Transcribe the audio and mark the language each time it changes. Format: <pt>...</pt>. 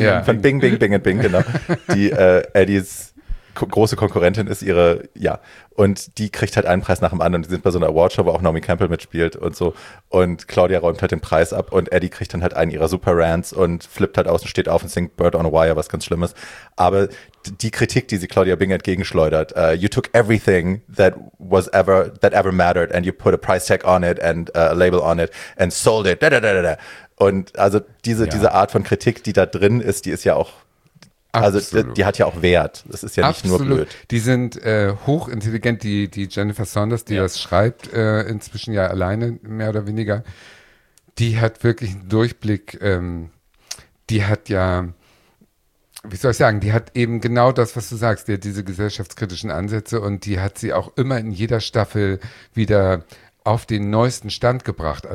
<de>ja. Von Bing, Bing, Bing und Bing, genau. Die Eddies große Konkurrentin ist ihre, ja. Und die kriegt halt einen Preis nach dem anderen. Und die sind bei so einer Awardshow, wo auch Naomi Campbell mitspielt und so. Und Claudia räumt halt den Preis ab und Eddie kriegt dann halt einen ihrer Super-Rants und flippt halt aus und steht auf und singt Bird on a Wire, was ganz Schlimmes. Aber die Kritik, die sie Claudia Bing entgegenschleudert,</de> <en>you took everything that ever mattered and you put a price tag on it and a label on it and sold it. Da-da-da-da-da.</en> <de>Und also diese Art von Kritik, die da drin ist, die ist ja auch, absolut. Also die hat ja auch Wert. Das ist ja nicht absolut. Nur blöd. Die sind hochintelligent, die Jennifer Saunders, die das schreibt, inzwischen ja alleine mehr oder weniger, die hat wirklich einen Durchblick, die hat ja, wie soll ich sagen, die hat eben genau das, was du sagst, die hat diese gesellschaftskritischen Ansätze und die hat sie auch immer in jeder Staffel wieder auf den neuesten Stand gebracht.</de>